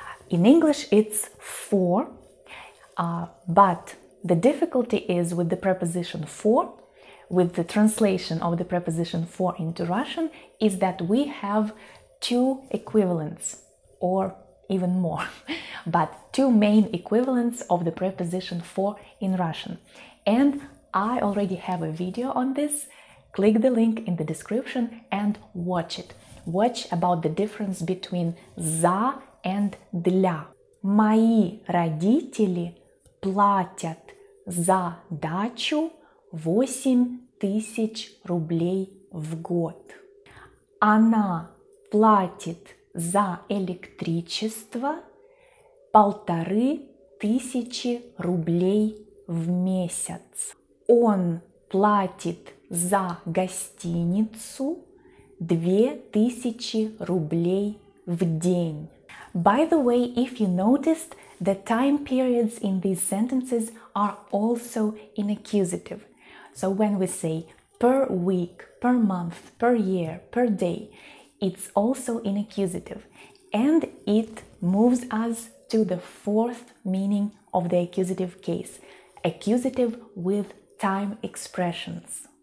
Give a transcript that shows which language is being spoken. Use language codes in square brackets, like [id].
[en] In English it's for, but the difficulty is with the preposition for, with the translation of the preposition for into Russian, is that we have two equivalents, or even more, but two main equivalents of the preposition for in Russian. And I already have a video on this. Click the link in the description and watch it. Watch about the difference between за and для. [ru] Мои родители платят за дачу 8000 рублей в год. Она платит за электричество 1500 рублей в месяц. Он платит за гостиницу 2000 рублей в день. [en] By the way, if you noticed, the time periods in these sentences are also in accusative. So when we say per week, per month, per year, per day, it's also in accusative, and it moves us to the fourth meaning of the accusative case, accusative with time expressions.